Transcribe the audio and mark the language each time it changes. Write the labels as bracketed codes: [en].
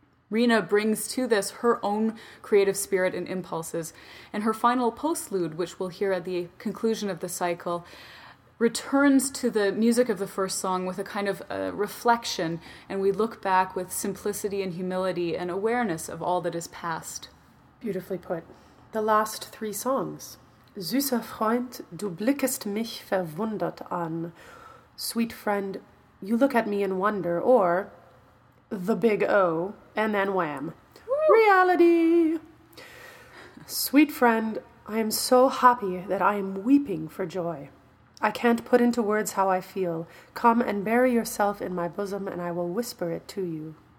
[en] Rina brings to this her own creative spirit and impulses, and her final postlude, which we'll hear at the conclusion of the cycle, returns to the music of the first song with a kind of reflection, and we look back with simplicity and humility and awareness of all that is past. Beautifully put. The last 3 songs. [de] Süßer Freund, du blickest mich verwundert an. [en] Sweet friend, you look at me in wonder. Or, the big O, and then wham. Woo! Reality! Sweet friend, I am so happy that I am weeping for joy. I can't put into words how I feel. Come and bury yourself in my bosom, and I will whisper it to you.